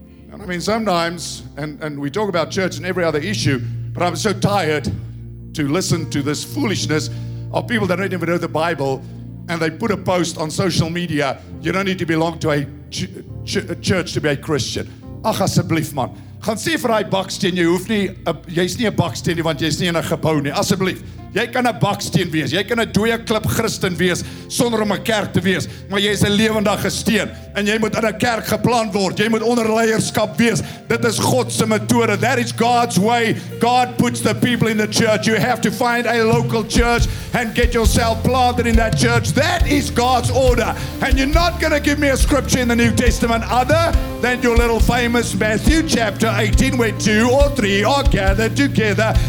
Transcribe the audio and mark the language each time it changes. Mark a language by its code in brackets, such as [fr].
[en] And I mean, sometimes, and we talk about church and every other issue, but I'm so tired to listen to this foolishness of people that don't even know the Bible, and they put a post on social media, you don't need to belong to a church to be a Christian. [af] Ach, asseblief, man. Gaan sê vir hy baksteen, jy hoef nie, jy's nie 'n baksteen, want jy's nie in 'n gebou nie. Asseblief, jy kan 'n baksteen wees, jy kan 'n dooie klip Christen wees, sonder om 'n kerk te wees, maar jy is 'n lewendige steen, en jy moet in 'n kerk geplant word, jy moet onder leierskap wees. Dit is God se metode. [en] That is God's way. God puts the people in the church. You have to find a local church and get yourself planted in that church. That is God's order. And you're not going to give me a scripture in the New Testament other than your little famous Matthew chapter 18, where two or three are gathered together.